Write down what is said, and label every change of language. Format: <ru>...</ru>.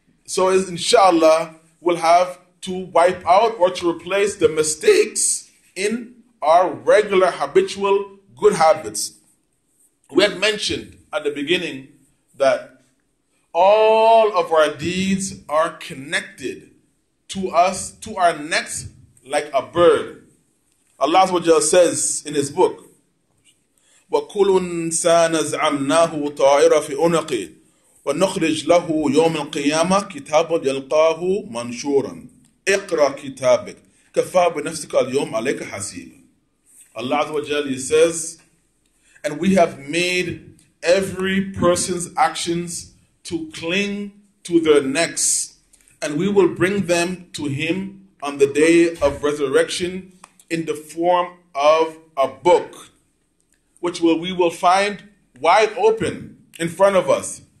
<en>So as inshallah, we'll have to wipe out or to replace the mistakes in our regular habitual good habits. We had mentioned at the beginning that all of our deeds are connected to us, to our necks, like a bird. Allah says in His book,</en> <ar>وَكُلُّ إِنْسَانٍ زَعَمْنَاهُ طَائِرًا فِي عُنُقِهِ وَنُخْرِجُ لَهُ يَوْمَ الْقِيَامَةِ كِتَابًا يَلْقَاهُ مَنْشُورًا اقْرَأْ كِتَابَكَ كَفَى بِنَفْسِكَ الْيَوْمَ عَلَيْكَ حَسِيبًا.</ar> <en>Allah Azza wa Jalla says, and we have made every person's actions to cling to their necks, and we will bring them to Him on the day of resurrection in the form of a book, which we will find wide open in front of us.</en>